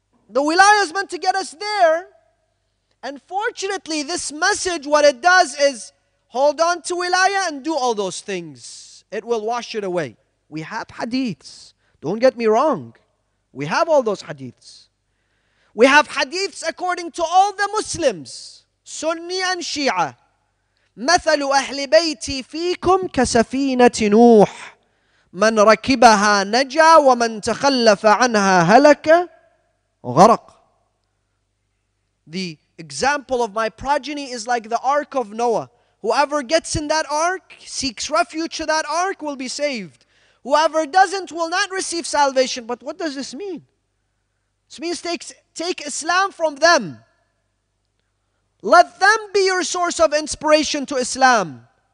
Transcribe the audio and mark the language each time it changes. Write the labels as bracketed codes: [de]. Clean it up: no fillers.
[en] The wilayah is meant to get us there. And fortunately, this message, what it does is hold on to wilayah and do all those things. It will wash it away. We have hadiths. Don't get me wrong. We have all those hadiths. We have hadiths according to all the Muslims, Sunni and Shia. [ar] مثل أهل بيتي فيكم كسفينة نوح من ركبها نجا ومن تخلف عنها هلك غرق. [en] The example of my progeny is like the ark of Noah. Whoever gets in that ark, seeks refuge to that ark, will be saved. Whoever doesn't will not receive salvation. But what does this mean? This means take Islam from them. Let them be your source of inspiration to Islam.